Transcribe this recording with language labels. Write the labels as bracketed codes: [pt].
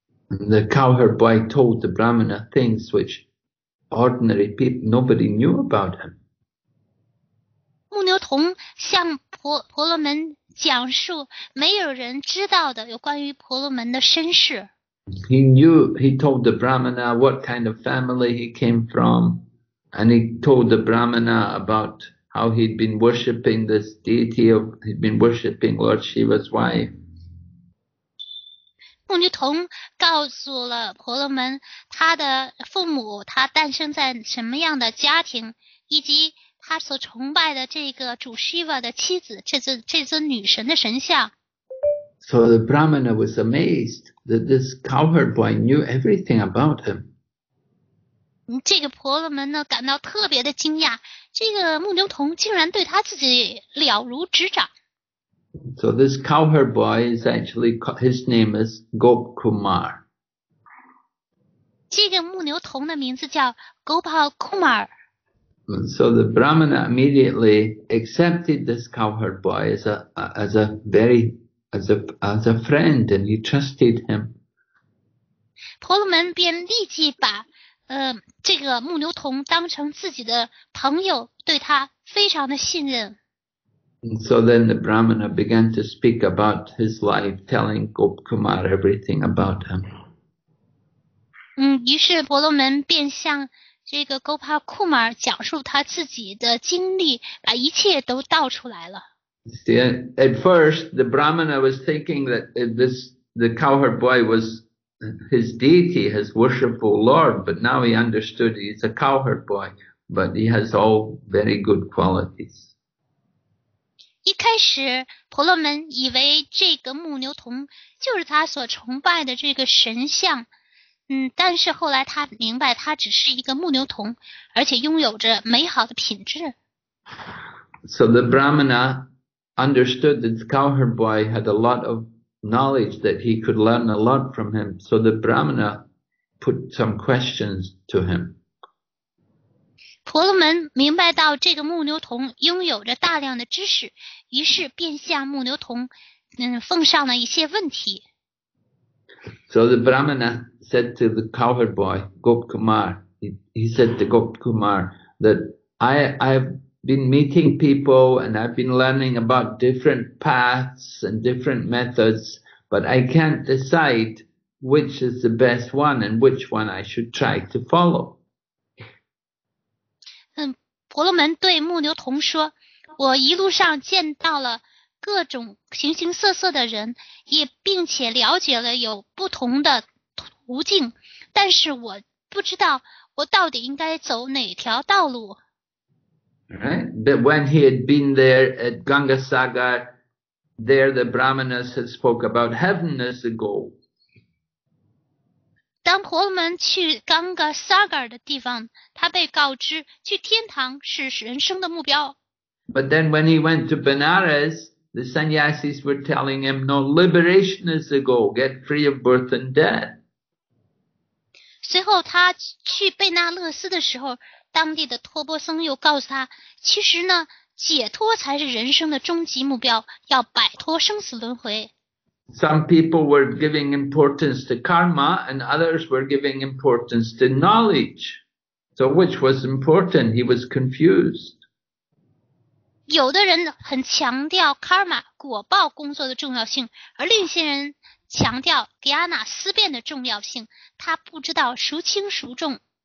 [en] The cowherd boy told the Brahmana things which ordinary people, nobody knew about him. [zh] 牧牛童向婆罗门讲述没有人知道的有关于婆罗门的身世。 [en] He knew, he told the Brahmana what kind of family he came from, and he told the Brahmana about how he'd been worshipping this deity, of, he'd been worshipping Lord Shiva's wife. [zh] 牧牛童告诉了婆罗门他的父母，他诞生在什么样的家庭，以及他所崇拜的这个主 Shiva 的妻子，这尊女神的神像。 [en] So the Brahmana was amazed that this cowherd boy knew everything about him. [zh] 这个婆罗门呢感到特别的惊讶，这个牧牛童竟然对他自己了如指掌。 [en] So this cowherd boy is actually, his name is Gop Kumar. [zh] 这个牧牛童的名字叫 Gopal Kumar. [en] So the Brahmana immediately accepted this cowherd boy as a friend, and he trusted him. [zh] 婆罗门便立即把这个牧牛童当成自己的朋友，对他非常的信任。 [en] And so then the Brahmana began to speak about his life, telling Gop Kumar everything about him. [zh] 于是婆罗门便向这个 Gopal Kumar 讲述他自己的经历，把一切都道出来了。 [en] See, at first, the Brahmana was thinking that the cowherd boy was his deity, his worshipful lord, but now he understood he's a cowherd boy, but he has all very good qualities. [zh] 一开始，婆罗门以为这个牧牛童就是他所崇拜的这个神像，但是后来他明白他只是一个牧牛童，而且拥有着美好的品质。 [en] So the Brahmana understood that the cowherd boy had a lot of knowledge that he could learn a lot from him. So the Brahmana put some questions to him. [zh] 婆罗门明白到这个牧牛童拥有着大量的知识，于是便向牧牛童奉上了一些问题。 [en] So the Brahmana said to the cowherd boy, Gop Kumar, he said to Gop Kumar that I've been meeting people and I've been learning about different paths and different methods, but I can't decide which is the best one and which one I should try to follow. [zh] 婆罗门对牧牛童说，我一路上见到了各种形形色色的人，也并且了解了有不同的途径，但是我不知道我到底应该走哪条道路。 [en] Right, but when he had been there at Ganga Sagar, there the Brahmanas had spoke about heaven as a goal. [zh] 当婆罗门去 Ganga Sagar 的地方，他被告知去天堂是人生的目标。 [en] But then when he went to Benares, the sannyasis were telling him, no, liberation is a goal, get free of birth and death. [zh] 最后他去贝纳勒斯的时候，当地的托钵僧又告诉他，其实呢，解脱才是人生的终极目标，要摆脱生死轮回。 [en] Some people were giving importance to karma, and others were giving importance to knowledge. So, which was important? He was confused. [zh] 有的人很强调 karma 果报工作的重要性，而另一些人强调 jnana 思辨的重要性，他不知道孰轻孰重。